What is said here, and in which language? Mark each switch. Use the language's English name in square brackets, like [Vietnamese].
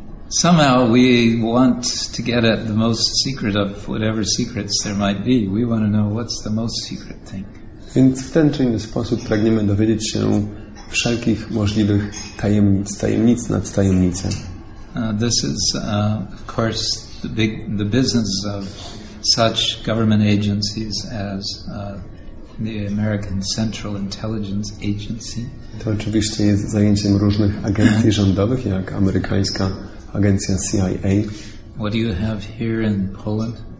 [English] Somehow we want to get at the most secret of whatever secrets there might be. We want to know what's the most secret thing. [Polish] Więc w ten czy inny sposób pragniemy dowiedzieć się wszelkich możliwych tajemnic, tajemnic nad tajemnicę. [English] This is, of course, the business of such government agencies as the American Central Intelligence Agency. [Polish] To oczywiście jest zajęciem różnych agencji rządowych, jak amerykańska Agencja CIA. [English] What do you have here in Poland?